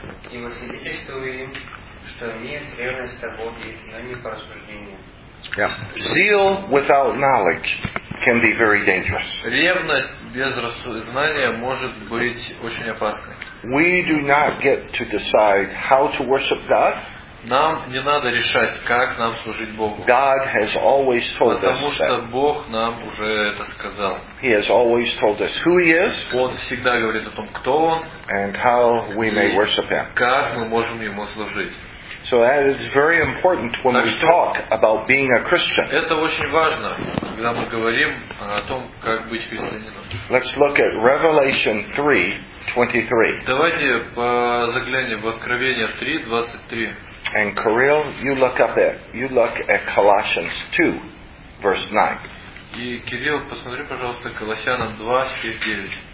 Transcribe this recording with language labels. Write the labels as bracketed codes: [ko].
[ru] И мы свидетельствуем, что имеет ревность о Боге, но не по рассуждению. [en] Yeah. Zeal without knowledge can be very dangerous. [ru] Ревность без знания может быть очень опасной. [en] We do not get to decide how to worship God. [ru] Нам не надо решать, как нам служить Богу. [en] God has always told us. [ru] Потому что Бог нам уже это сказал. [en] He has always told us who He is. [ru] Он всегда говорит о том, кто Он. [en] And how we may worship Him. [ru] Как мы можем Ему служить. [en] So that is very important when we talk about being a Christian. [ru] Это очень важно, когда мы говорим о том, как быть христианином. [en] Let's look at Revelation 3:23. [ru] Давайте заглянем в Откровение 3:23. [en] And Kirill, you look at Colossians 2:9. [ru] И Кирилл, посмотри, пожалуйста, Колоссянам 2:9.